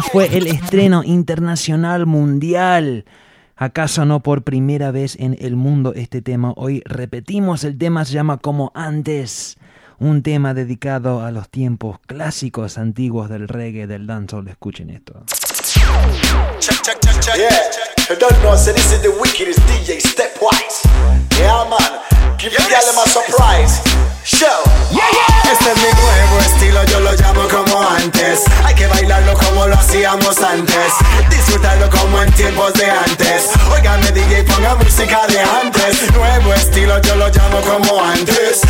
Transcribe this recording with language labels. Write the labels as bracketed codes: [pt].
[es] Fue el estreno internacional mundial. ¿Acaso no por primera vez en el mundo este tema? Hoy repetimos el tema, se llama Como Antes. Un tema dedicado a los tiempos clásicos antiguos del reggae, del dancehall. Escuchen esto. [en] Yeah, you don't know, say this is the wickedest DJ Stepwise. Yeah, man, give the girl a surprise. Show. Yeah, yeah. [es] Este es mi nuevo estilo, yo lo llamo como antes. Hay que bailarlo como lo hacíamos antes. Disfrutarlo como en tiempos de antes. Óigame DJ, ponga música de antes. Nuevo estilo, yo lo llamo como antes.